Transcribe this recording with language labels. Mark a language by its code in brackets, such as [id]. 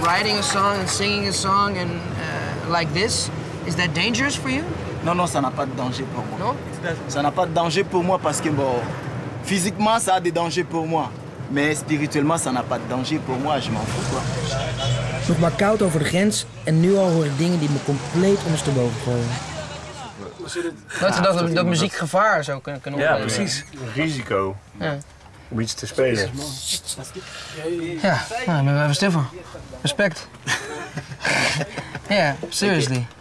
[en] Writing a song and singing a song and like this, is that dangerous for you? [fr] Non, non, ça n'a pas de danger pour moi. Non? Ça n'a pas de danger pour moi parce que, bon, physiquement, ça a des dangers pour moi. Mais spirituellement, ça n'a pas de danger pour moi, je m'en fous, quoi. [nl] Nog maar koud over de grens en nu al hoor ik dingen die me compleet ondersteboven gooien. Dat je dacht dat muziek gevaar zou kunnen opleveren. Ja, precies. Risico. Om iets te spelen. Ja, daar ben ik even stil van. Respect. Ja, seriously.